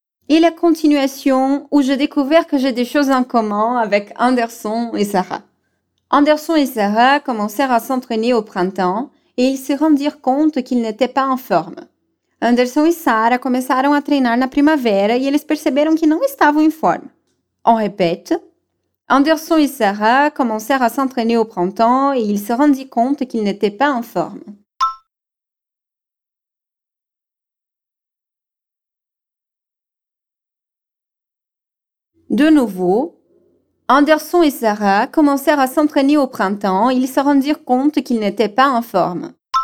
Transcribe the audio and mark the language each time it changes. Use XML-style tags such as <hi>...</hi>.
<fr>Et la continuation où j'ai découvert que j'ai des choses en commun avec Anderson et Sarah. Anderson et Sarah commencèrent à s'entraîner au printemps et ils se rendirent compte qu'ils n'étaient pas en forme.</fr> <pt>Anderson e Sarah começaram a treinar na primavera e eles perceberam que não estavam em forma.</pt> <fr>On répète. Anderson e Sarah commencèrent à s'entraîner au printemps et ils se rendirent compte qu'ils n'étaient pas en forme. De nouveau, Anderson et Sarah commencèrent à s'entraîner au printemps et ils se rendirent compte qu'ils n'étaient pas en forme.</fr>